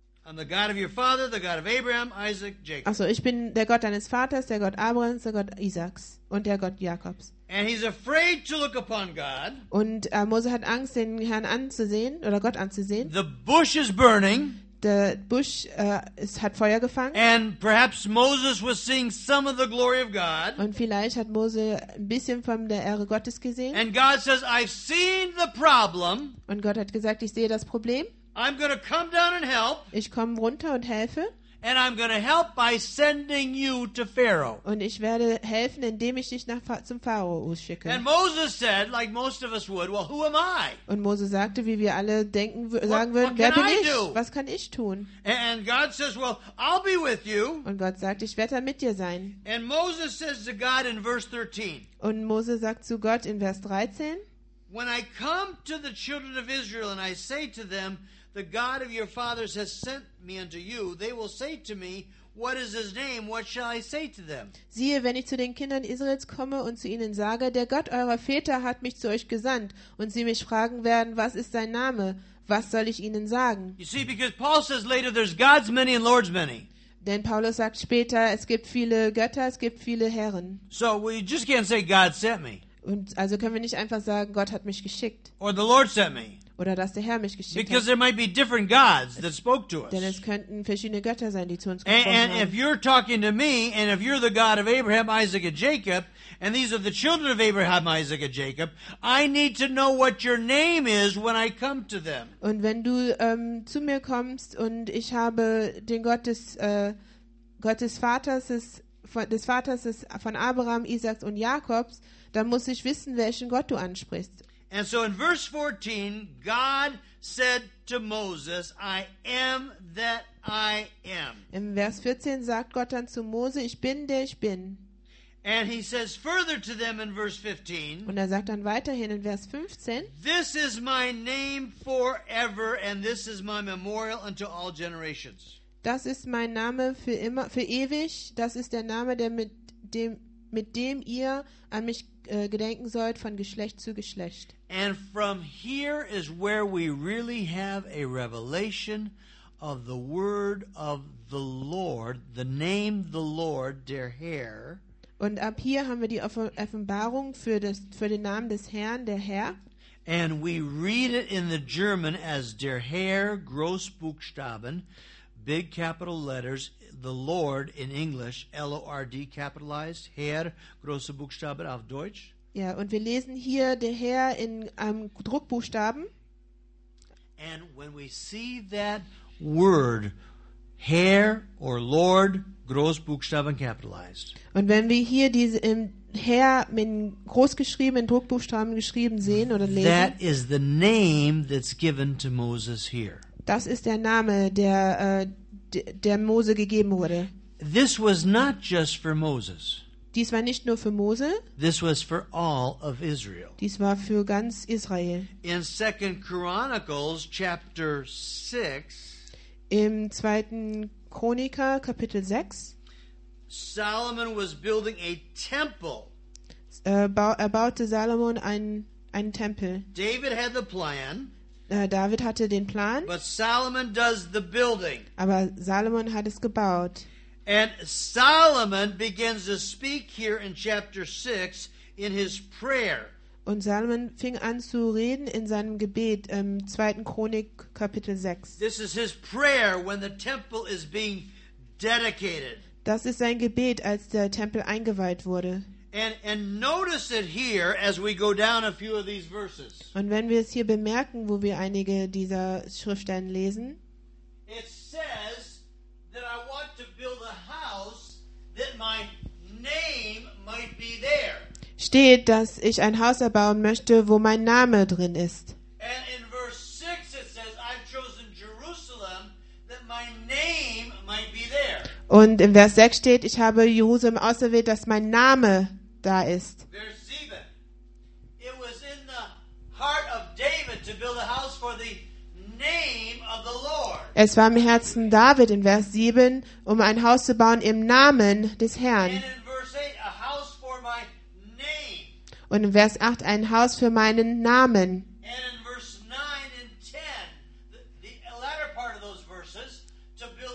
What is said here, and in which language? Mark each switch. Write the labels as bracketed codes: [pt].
[en] I'm the God of your father, the God of Abraham, Isaac, Jacob. [de] Also, ich bin der Gott deines Vaters, der Gott Abrahams, der Gott Isaaks und der Gott Jakobs. [en] And he's afraid to look upon God. [de] Und Mose hat Angst, den Herrn anzusehen oder Gott anzusehen. [en] The bush is burning. [de] Der Busch hat Feuer gefangen. [en] And perhaps Moses was seeing some of the glory of God. [de] Und vielleicht hat Mose ein bisschen von der Ehre Gottes gesehen. [en] And God says, I've seen the problem. [de] Und Gott hat gesagt, ich sehe das Problem. [en] I'm going to come down and help. [de] Ich komme runter und helfe. [en] And I'm going to help by sending you to Pharaoh. [de] Und ich werde helfen, indem ich dich zum Pharao schicke. [en] And Moses said, like most of us would, well, who am I? [de] Und Moses sagte, wie wir alle denken, sagen würden, wer bin ich? Was kann ich tun? [en] And God says, well, I'll be with you. [de] Und Gott sagt, ich werde mit dir sein. [en] And Moses says to God in verse 13. [de] Und Moses sagt zu Gott in Vers 13. [en] When I come to the children of Israel and I say to them, the God of your fathers has sent me unto you. They will say to me, what is his name? What shall I say to them? [de] Siehe, wenn ich zu den Kindern Israels komme und zu ihnen sage, der Gott eurer Väter hat mich zu euch gesandt, und sie mich fragen werden, was ist sein Name? Was soll ich ihnen sagen? [en] You see, because Paul says later, there's God's many and Lord's many. [de] Denn Paulus sagt später, es gibt viele Götter, es gibt viele Herren. [en] So we just can't say God sent me. [de] Und also können wir nicht einfach sagen, Gott hat mich geschickt. [en] Or the Lord sent me. [de] Oder dass der Herr mich geschickt hat. [en] Because there might be different gods that spoke to us. [de] Denn es könnten verschiedene Götter sein, die zu uns gesprochen haben. [en] And if you're talking to me, and if you're the God of Abraham, Isaac, and Jacob, and these are the children of Abraham, Isaac, and Jacob, I need to know what your name is when I come to them. [de] Und wenn du zu mir kommst und ich habe den Gott des Vaters ist von Abraham, Isaaks und Jakobs, dann muss ich wissen, welchen Gott du ansprichst. [en] And so in verse 14, God said to Moses, I am that I am. [de] In Vers 14 sagt Gott dann zu Mose, ich bin, der ich bin. [en] And he says further to them in verse 15. [de] Und sagt dann weiterhin in Vers 15. [en] This is my name forever, and this is my memorial unto all generations. [de] Das ist mein Name für immer, für ewig. Das ist der Name, der mit dem ihr an mich gedenken sollt von Geschlecht zu Geschlecht. [en] And from here is where we really have a revelation of the word of the Lord, the name the Lord, der Herr. [de] Und ab hier haben wir die Offenbarung für den Namen des Herrn, der Herr. [en] And we read it in the German as [de] der Herr, Großbuchstaben, [en] big capital letters, the Lord in English, L-O-R-D, capitalized, [de] Herr, große Buchstaben auf Deutsch. Ja, und wir lesen hier der Herr in Druckbuchstaben. [en] And when we see that word, Herr or Lord, Großbuchstaben capitalized. [de] Und wenn wir hier diese Herr mit großgeschrieben, in Druckbuchstaben geschrieben sehen oder lesen. [en] That is the name that's given to Moses here. [de] Das ist der Name, der Mose gegeben wurde. [en] This was not just for Moses. [de] Dies war nicht nur für Mose. [en] This was for all of Israel. [de] Dies war für ganz Israel. [en] In 2 Chronicles chapter 6. [de] Im 2. Chroniker Kapitel 6. [en] Solomon was building a temple. [de] Erbaute Salomon einen Tempel. [en] David had the plan. [de] David hatte den Plan. [en] But Solomon does the building. [de] Aber Salomon hat es gebaut. [en] And Solomon begins to speak here in chapter 6 in his prayer. [de] Und Salomon fing an zu reden in seinem Gebet im 2. Chronik Kapitel 6. [en] This is his prayer when the temple is being dedicated. [de] Das ist sein Gebet, als der Tempel eingeweiht wurde. [en] And notice it here as we go down a few of these verses. [de] Und wenn wir es hier bemerken, wo wir einige dieser Schriftstellen lesen. [en] It says that I want to build a house that my name might be there. [de] Steht, dass ich ein Haus erbauen möchte, wo mein Name drin ist. [en] And in verse 6 it says I've chosen Jerusalem that my name might be there. [de] Und in Vers 6 steht, ich habe Jerusalem auserwählt, dass mein Name da ist. Vers 7. [en] It was in the heart of David to build a house for the name of the Lord. [de] Es war im Herzen David in Vers 7, um ein Haus zu bauen im Namen des Herrn. [en] And in Vers 8, a house for my name. [de] Und in Vers 8, ein Haus für meinen Namen. [en] And in Vers 9 and 10, the latter part of those verses, to